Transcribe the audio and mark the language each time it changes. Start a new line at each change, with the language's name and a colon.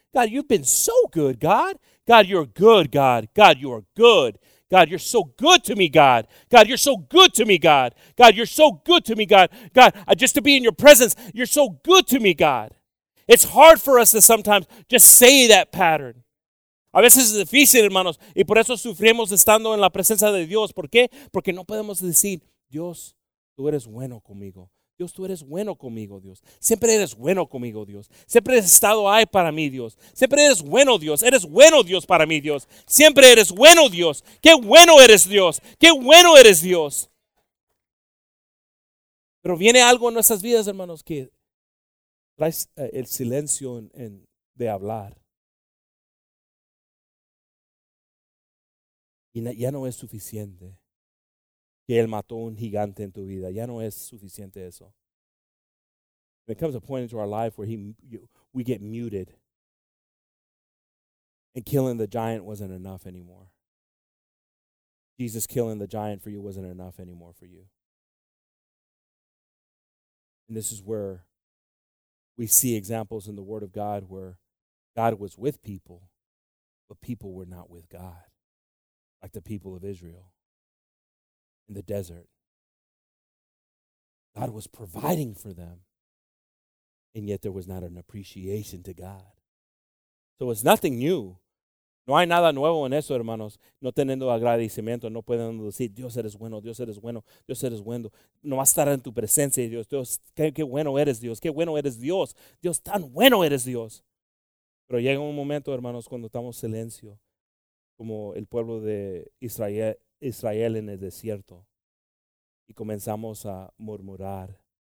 English: God, you've been so good, God. God, you're good, God. God, you're good. God, you're so good to me, God. God, you're so good to me, God. God, you're so good to me, God. God, just to be in your presence, you're so good to me, God. It's hard for us to sometimes just say that pattern.
Spanish: A veces es difícil, hermanos, y por eso sufrimos estando en la presencia de Dios. ¿Por qué? Porque no podemos decir, Dios, tú eres bueno conmigo. Dios, tú eres bueno conmigo, Dios. Siempre eres bueno conmigo, Dios. Siempre has estado ahí para mí, Dios. Siempre eres bueno, Dios. Eres bueno, Dios, para mí, Dios. Siempre eres bueno, Dios. Qué bueno eres, Dios. Qué bueno eres, Dios. Pero viene algo en nuestras vidas, hermanos, que trae el silencio en de hablar. Y ya no es suficiente que Él mató un gigante en tu vida. Ya no es suficiente eso.
English: There comes a point into our life where we get muted. And killing the giant wasn't enough anymore. Jesus killing the giant for you wasn't enough anymore for you. And this is where we see examples in the Word of God where God was with people, but people were not with God. Like the people of Israel in the desert. God was providing for them, and yet there was not an appreciation to God. So it's nothing new.
Spanish: No hay nada nuevo en eso, hermanos. No teniendo agradecimiento, no pueden decir, Dios eres bueno, Dios eres bueno, Dios eres bueno. No vas a estar en tu presencia, Dios. Dios, qué bueno eres, Dios. Qué bueno eres, Dios. Dios, tan bueno eres, Dios. Pero llega un momento, hermanos, cuando estamos en silencio, como el pueblo de Israel en el desierto, y comenzamos a murmurar.